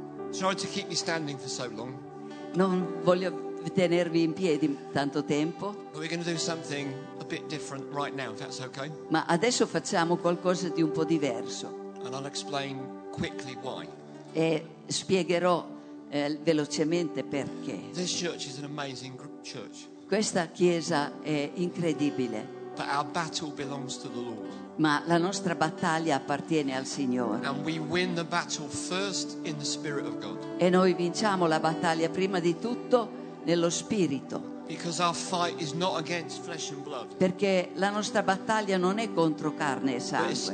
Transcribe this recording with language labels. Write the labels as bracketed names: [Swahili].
[English] Sorry to keep you standing for so long. [Italian] Non voglio tenervi in piedi tanto tempo. [English] But we're going to do something a bit different right now, if that's okay. [Italian] Ma adesso facciamo qualcosa di un po' diverso. [English] And I'll explain quickly why. [Italian] E spiegherò velocemente perché. [English] This church is an amazing church. [Italian] Questa chiesa è incredibile. [English] But our battle belongs to the Lord. [Italian] Ma la nostra battaglia appartiene al Signore. [English] And we win the battle first in the Spirit of God. [Italian] E noi vinciamo la battaglia prima di tutto nello Spirito. [English] Because our fight is not against flesh and blood. [Italian] Perché la nostra battaglia non è contro carne e sangue.